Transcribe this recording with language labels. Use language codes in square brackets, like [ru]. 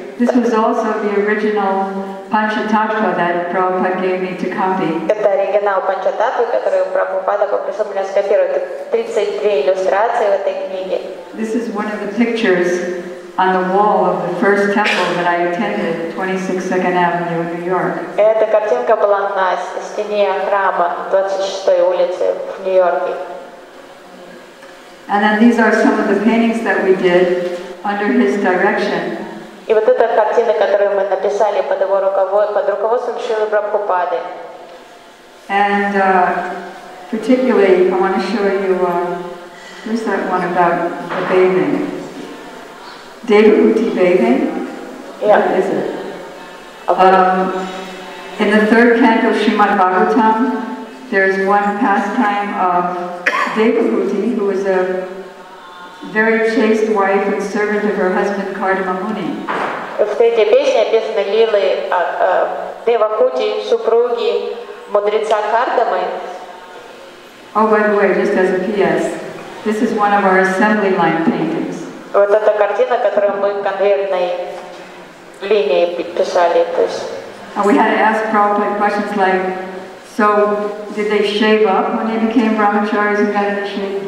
[en] This was also the original Panchatattva that Prabhupada gave me to copy. [ru] Это оригинал Панчататвы, который Прабхупада попросил меня скопировать. 33 иллюстрации в этой книге. [en] This is one of the pictures on the wall of the first temple that I attended, 26 Second Avenue in New York. [ru] Эта картинка была на стене храма 26-й улицы в Нью-Йорке. [en] And then these are some of the paintings that we did under his direction. [ru] И вот эта картина, которую мы написали под его руководством Шрилы Прабхупады. [en] And particularly, I want to show you who's that one about the bathing? Devahuti bathing? Yeah. What is it? In the third canto of Srimad Bhagavatam, there's one pastime of Devahuti, who is a very chaste wife and servant of her husband Kardama Muni. [ru] В третьей песне описаны лилы Девахути, супруги мудреца Кардамы. [en] Oh, by the way, just as a P.S., this is one of our assembly line paintings. [ru] Вот эта картина, которую мы конвейерной линией писали. [en] And we had to ask Prabhupada questions like, so did they shave up when they became brahmacharis and got initiated?